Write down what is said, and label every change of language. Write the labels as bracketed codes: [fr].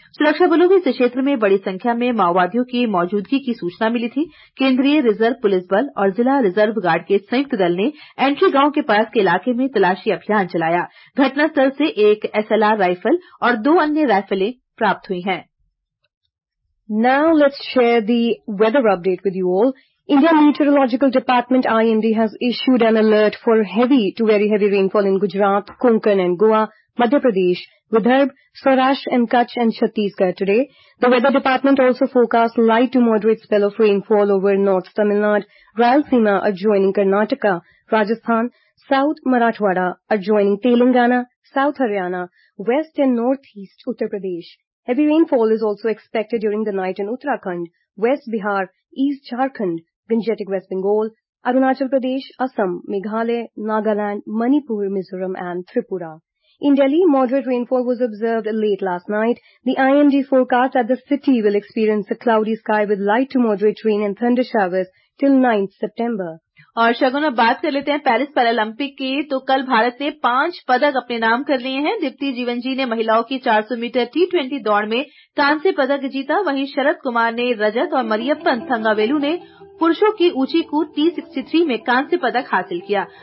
[hi] सुरक्षा बलों को इस क्षेत्र में बड़ी संख्या में माओवादियों की मौजूदगी की सूचना मिली थी। केंद्रीय रिजर्व पुलिस बल और जिला रिजर्व गार्ड के संयुक्त दल ने एंट्री गांव के पास के इलाके में तलाशी अभियान चलाया। घटनास्थल से एक SLR राइफल और 2 अन्य राइफलें प्राप्त हुई हैं। [en] Now let's share the weather update with you all. Indian Meteorological Department IMD has issued an alert for heavy to very heavy rainfall in Gujarat, Konkan and Goa, Madhya Pradesh, Vidarbha, Saurashtra and Kutch and Chhattisgarh today. The weather department also forecasts light to moderate spell of rainfall over North Tamil Nadu, Rayalaseema adjoining Karnataka, Rajasthan, South Marathwada adjoining Telangana, South Haryana, West and Northeast Uttar Pradesh. Heavy rainfall is also expected during the night in Uttarakhand, West Bihar, East Jharkhand, Gangetic West Bengal, Arunachal Pradesh, Assam, Meghalaya, Nagaland, Manipur, Mizoram and Tripura. In Delhi, moderate rainfall was observed late last night. The IMD forecast that the city will experience a cloudy sky with light to moderate rain and thunder showers till 9th September. [hi] और शगुन अब बात कर लेते हैं Paris Paralympic की, तो कल भारत ने 5 पदक अपने नाम कर लिए हैं। दीप्ति जीवन जी ने महिलाओं की 400 मीटर T20 दौड़ में कांस्य पदक जीता, वहीं शरद कुमार ने रजत और मरियप्पन थंगावेलु ने पुरुषों की ऊंची कूद T63 में कांस्य पदक हासिल किया।